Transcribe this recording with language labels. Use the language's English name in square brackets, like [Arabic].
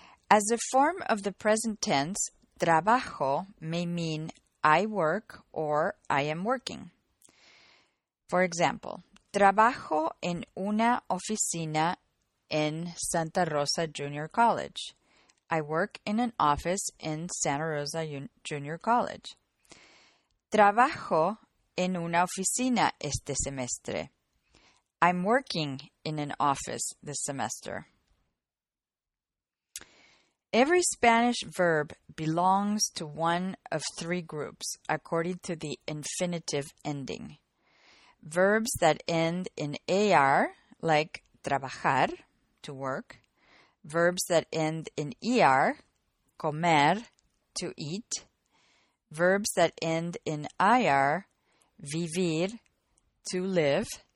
[English] As a form of the present tense, trabajo may mean I work or I am working. [Spanish] For example, trabajo en una oficina in Santa Rosa Junior College. [English] I work in an office in Santa Rosa Junior College. [Spanish] Trabajo en una oficina este semestre. [English] I'm working in an office this semester. Every Spanish verb belongs to one of three groups according to the infinitive ending. Verbs that end in AR, like trabajar, to work, verbs that end in ER, comer, to eat, verbs that end in IR, vivir, to live.